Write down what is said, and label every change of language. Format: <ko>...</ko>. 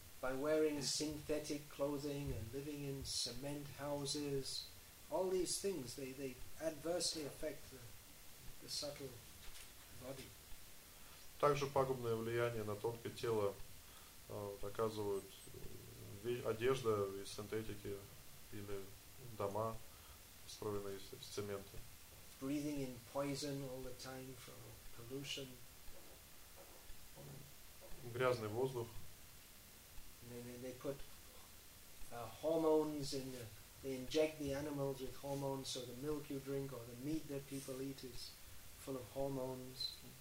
<en>By wearing synthetic clothing and living in cement houses, all these things they adversely affect the subtle body.</en> <ru>Также пагубное влияние на тонкое тело оказывают одежда из синтетики или дома, построенные из цемента.</ru> <en>Breathing in poison all the time from pollution.</en> <ru>Грязный воздух.</ru> <en>They put hormones in they inject the animals with hormones, so the milk you drink or the meat that people eat is full of hormones.</en>